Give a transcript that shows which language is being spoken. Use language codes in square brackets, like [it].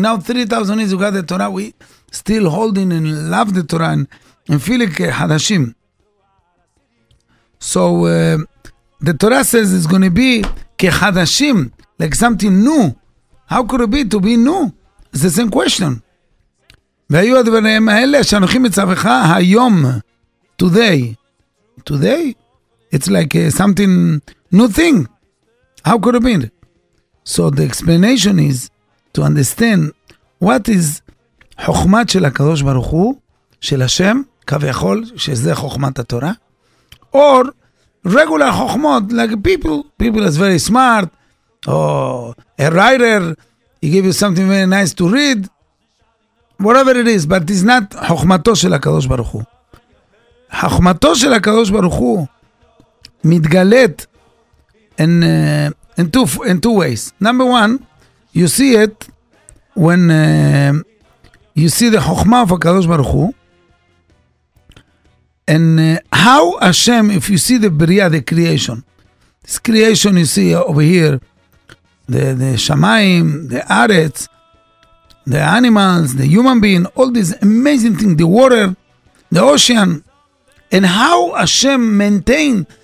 [en] Now 3,000 years, we got the Torah, we still holding and love the Torah, and feeling חדשים. So, the Torah says it's going to be כחדשים, like something new. How could it be to be new? It's the same question. [he] והיו הדברים האלה שאנוכים מצווך היום, today. [en] Today? It's like something new thing. How could it be? So the explanation is to understand what is [he] חוכמת של הקדוש ברוך הוא, של השם, כביכול, שזה חוכמת התורה, [en] or regular חוכמות, like people is very smart, or a writer, he gave you something very nice to read, whatever it is, but it's not [he] חוכמתו של הקדוש ברוך הוא. חוכמתו של הקדוש ברוך הוא, מתגלית [en] in two ways. Number one, you see it when you see the chokhmah of HaKadosh Baruch Hu, and how Hashem, if you see the Briyah, the creation, this creation you see over here, the Shamayim, the Aretz, the animals, the human being, all these amazing things, the water, the ocean, and how Hashem maintained.